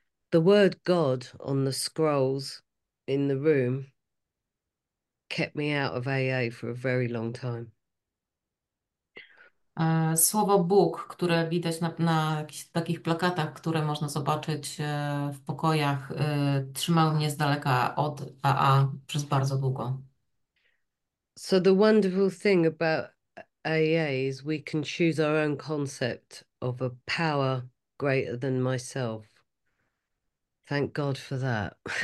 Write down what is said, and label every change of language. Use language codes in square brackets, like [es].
[en] The word God on the scrolls in the room kept me out of AA for a very long time. [pl] Słowo Bóg, które widać na jakichś takich plakatach, które można zobaczyć w pokojach, trzymało mnie z daleka od AA przez bardzo długo. [en] So the wonderful thing about AA is we can choose our own concept of a power greater than myself. Thank God for that.